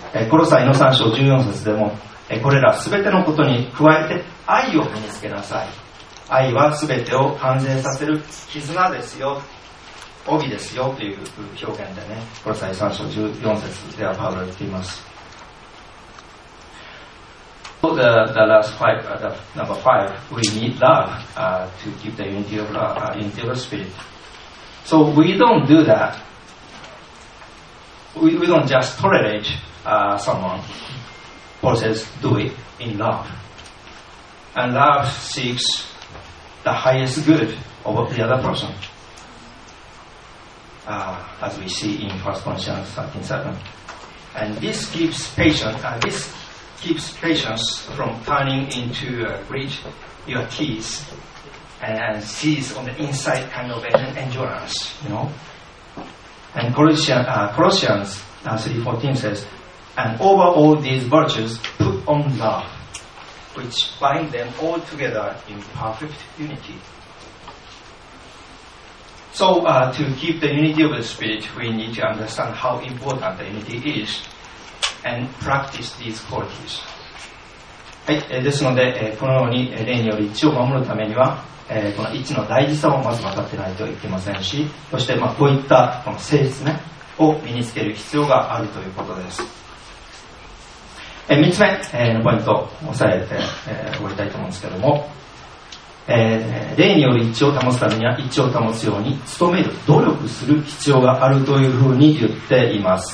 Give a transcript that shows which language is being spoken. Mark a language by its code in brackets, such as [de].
[ja] コロサイの3章14節でも、これら全てのことに加えて愛を身につけなさい。愛は全てを完全させる絆ですよ、帯ですよという表現でね、コロサイ3章14節ではパウロは言っています。 [en] The last five, the number five, we need love, to keep the unity of love, unity of spirit. So we don't do that. We don't just tolerate, someone. Paul says, do it in love. And love seeks the highest good of the other person. As we see in 1 Corinthians 13:7. And this keeps patience, and this keeps patience from turning into grit, your teeth, and sees on the inside kind of an endurance, you know. And Colossians 3:14 says, and over all these virtues, put on love, which bind them all together in perfect unity. So to keep the unity of the Spirit, we need to understand how important the unity is. And practice these qualities. [ja] はい、ですので、このように霊により一致を守るためには、この一致の大事さをまず分かってないといけませんし、そして、まあ、こういったこの性質、ね、を身につける必要があるということです。 3つ目、のポイントを押さえて、終わりたいと思うんですけども、霊により一致を保つためには一致を保つように努める努力する必要があるというふうに言っています。